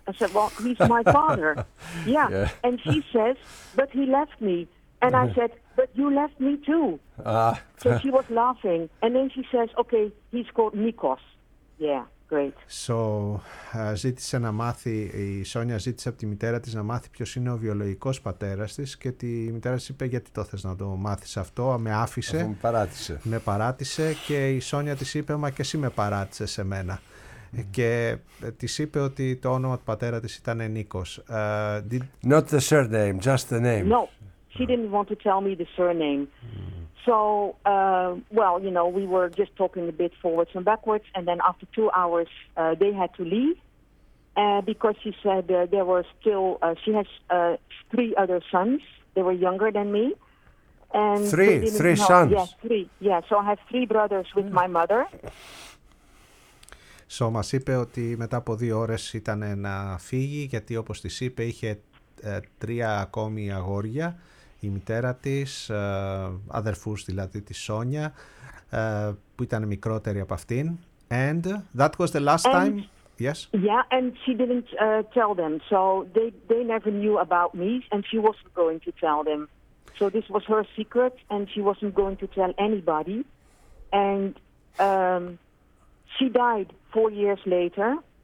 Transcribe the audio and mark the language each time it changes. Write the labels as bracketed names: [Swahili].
[English] I said, well, he's my father. Yeah. And she says, but he left me. And I said, but you left me too. So she was laughing. And then she says, okay, he's called Nikos. Yeah, great. [Greek] So, ζήτησε να μάθει, η Σόνια ζήτησε από τη μητέρα της να μάθει ποιος είναι ο βιολογικός πατέρας της και τη μητέρα της είπε, γιατί το θες να το μάθεις αυτό, με άφησε. Με παράτησε. Με παράτησε και η Σόνια της είπε, μα και εσύ με παράτησες εμένα. Και της είπε ότι το όνομα του πατέρα της ήταν Νίκος. [English] Not the surname, just the name. No. he didn't want to tell me the surname. So, well, you know, we were just talking a bit forwards and backwards, and then after 2 hours, they had to leave because she said there were still, she has 3 other sons. They were younger than me. And three help. Sons? Yes, three. Yeah, so I have 3 brothers with my mother. [Greek] So, μας είπε ότι μετά από 2 ώρες ήταν να φύγει, γιατί όπως της είπε, είχε 3 ακόμη αγόρια. Η μητέρα της, αδερφούς δηλαδή της Σόνια, που ήταν μικρότερη από αυτήν. [English] And that was the last time. Yes. Yeah, and she didn't tell them. So they never knew about me, and she wasn't going to tell them. So this was her secret, and she wasn't going to tell anybody. And she died 4 years later.